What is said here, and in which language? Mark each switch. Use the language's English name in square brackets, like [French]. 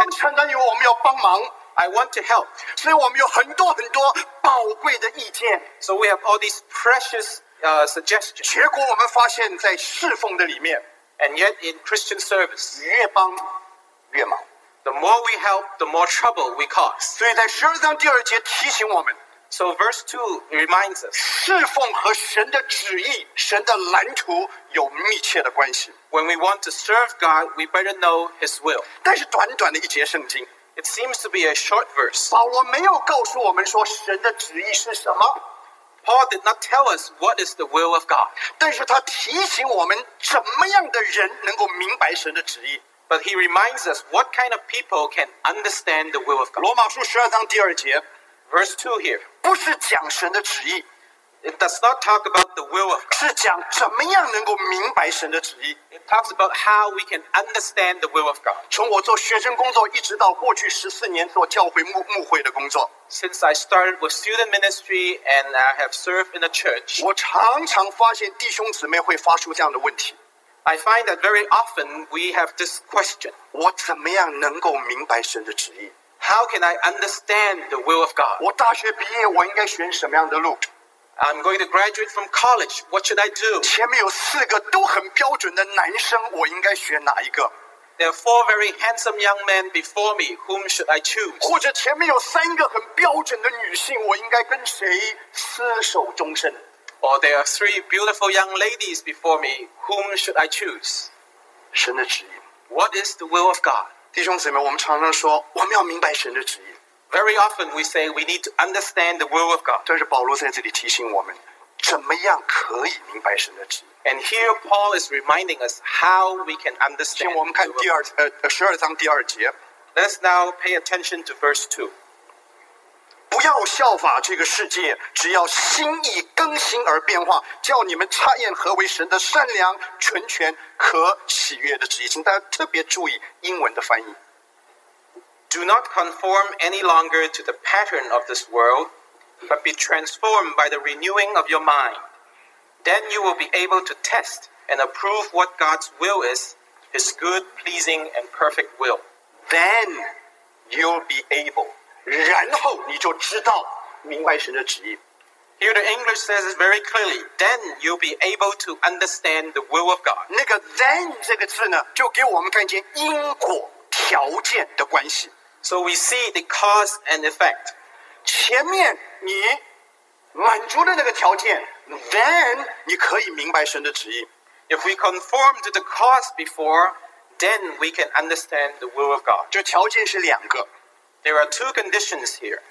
[Chinese] 我们常常以为我们要帮忙。 [English] I want to help. [Chinese] 所以我们有很多很多宝贵的意见。 [English] So we have all these precious suggestions. [Chinese] 结果我们发现，在侍奉的里面 [English] ，and yet in Christian service, [Chinese] 越帮越忙。 [English] The more we help, the more trouble we cause. [Chinese] 所以在十二章第二节提醒我们。 [English] So verse 2 reminds us. [Chinese] 侍奉和神的旨意、神的蓝图有密切的关系。 [English] When we want to serve God, we better know His will. [Chinese] 但是短短的一节圣经。 [English] It seems to be a short verse. [Chinese] 保罗没有告诉我们说神的旨意是什么。 [English] Paul did not tell us what is the will of God. [Chinese] 但是他提醒我们怎么样的人能够明白神的旨意。 [English] But he reminds us what kind of people can understand the will of God. [Chinese] 罗马书十二章第二节 [English] ，verse 2 here， [Chinese] 不是讲神的旨意 [English] ，it does not talk about the will of God. [Chinese] 是讲怎么样能够明白神的旨意 [English] ，it talks about how we can understand the will of God. [Chinese] 从我做学生工作一直到过去十四年做教会牧会的工作 [English] ，since I started with student ministry and I have served in the church， [Chinese] 我常常发现弟兄姊妹会发出这样的问题。 [English] I find that very often we have this question. [Chinese] 我怎么样能够明白神的旨意？ [English] How can I understand the will of God? [Chinese] 我大学毕业，我应该选什么样的路？ [English] I'm going to graduate from college. What should I do? [Chinese] 前面有四个都很标准的男生，我应该选哪一个？ [English] There are four very handsome young men before me. Whom should I choose? [Chinese] 或者前面有三个很标准的女性，我应该跟谁厮守终身？ [English] Or there are three beautiful young ladies before me. Whom should I choose? [Chinese] 神的旨意。 [English] What is the will of God? [Chinese] 弟兄姊妹，我们常常说，我们要明白神的旨意。 [English] Very often we say we need to understand the will of God. [Chinese] 但是保罗在这里提醒我们，怎么样可以明白神的旨意。 [English] And here Paul is reminding us how we can understand. [Chinese] 请我们看第二十二章第二节。 [English] Let's now pay attention to verse 2. [Chinese] 不要效法这个世界，只要心意更新而变化，叫你们查验何为神的善良、纯全和喜悦的旨意。请大家特别注意英文的翻译。 [English] Do not conform any longer to the pattern of this world, but be transformed by the renewing of your mind. Then you will be able to test and approve what God's will is, His good, pleasing, and perfect will. Then you'll be able. [Chinese] 然后你就知道明白神的旨意。 [English] Here the English says it very clearly. Then you'll be able to understand the will of God. [Chinese] 那个 then 这个字呢，就给我们看见因果条件的关系。 [English] So we see the cause and effect. [Chinese] 前面你满足了那个条件 then 你可以明白神的旨意。 [English] If we conform to the cause before, then we can understand the will of God. [Chinese] 这条件是两个。 [English] There are two conditions here.